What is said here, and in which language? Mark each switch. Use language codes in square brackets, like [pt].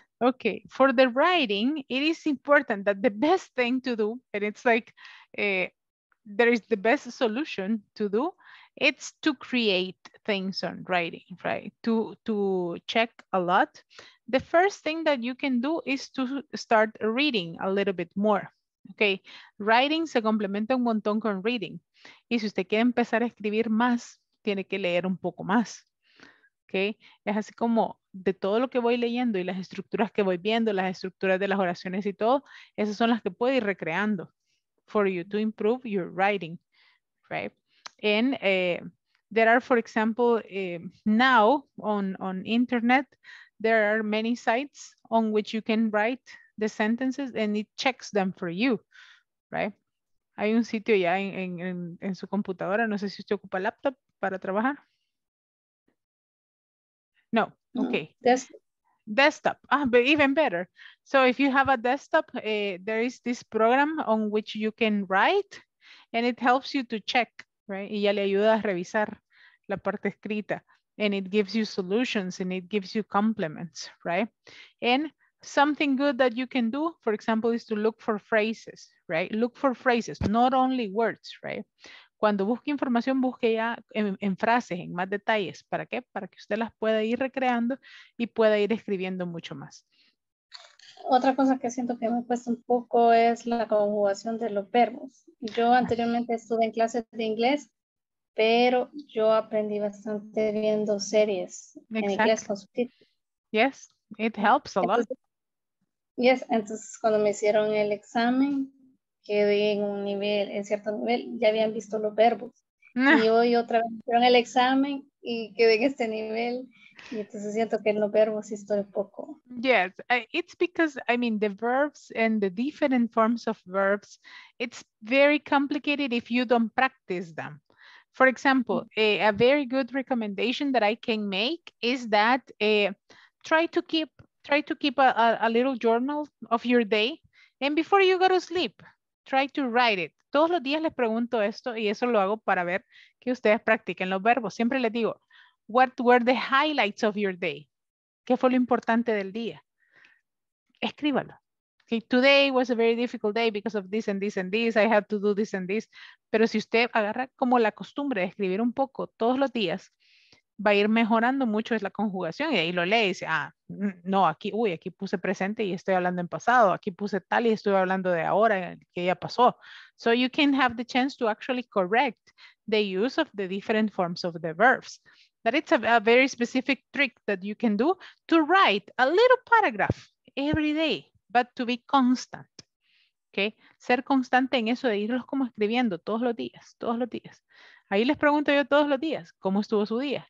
[en] Okay, for the writing, it is important that the best thing to do, and it's like there is the best solution to do, it's to create things on writing, right? To check a lot. The first thing that you can do is to start reading a little bit more, okay? [es] Writing se complementa un montón con reading. Y si usted quiere empezar a escribir más, tiene que leer un poco más, okay? Es así como de todo lo que voy leyendo y las estructuras que voy viendo, las estructuras de las oraciones y todo, esas son las que puedo ir recreando for you to improve your writing, right? [en] And there are, for example, now on internet, there are many sites on which you can write the sentences and it checks them for you, right? [es] Hay un sitio ya en su computadora, no sé si usted ocupa laptop para trabajar. [en] No. Okay, desktop. But even better. So if you have a desktop, there is this program on which you can write and it helps you to check, right? Y ya le ayuda a revisar la parte escrita and it gives you solutions and it gives you compliments, right? And something good that you can do, for example, is to look for phrases, right? Look for phrases, not only words, right? [es] Cuando busque información, busque ya en frases, en más detalles. ¿Para qué? Para que usted las pueda ir recreando y pueda ir escribiendo mucho más. Otra cosa que siento que me cuesta un poco es la conjugación de los verbos. Yo anteriormente estuve en clases de inglés, pero yo aprendí bastante viendo series en inglés con subtítulos. [en] Yes, it helps a lot. [es] Yes, entonces cuando me hicieron el examen, quedé en un nivel, en cierto nivel, ya habían visto los verbos. Y hoy otra vez hicieron el examen y quedé en este nivel. Y entonces siento que en los verbos estoy poco. [en] Yes, it's because, I mean, the verbs and the different forms of verbs, it's very complicated if you don't practice them. For example, a very good recommendation that I can make is that try to keep a little journal of your day and before you go to sleep. Try to write it. [es] Todos los días les pregunto esto y eso lo hago para ver que ustedes practiquen los verbos. [en] Siempre les digo, what were the highlights of your day? [es] ¿Qué fue lo importante del día? Escríbalo. [en] Okay, today was a very difficult day because of this and this and this. I had to do this and this. [es] Pero si usted agarra como la costumbre de escribir un poco todos los días, va a ir mejorando mucho es la conjugación y ahí lo lee y dice, ah, no, aquí, uy, aquí puse presente y estoy hablando en pasado, aquí puse tal y estoy hablando de ahora, que ya pasó. [en] So you can have the chance to actually correct the use of the different forms of the verbs. That it's a very specific trick that you can do to write a little paragraph every day, but to be constant. Okay? [es] Ser constante en eso de irlos como escribiendo todos los días, todos los días. Ahí les pregunto yo todos los días, ¿cómo estuvo su día?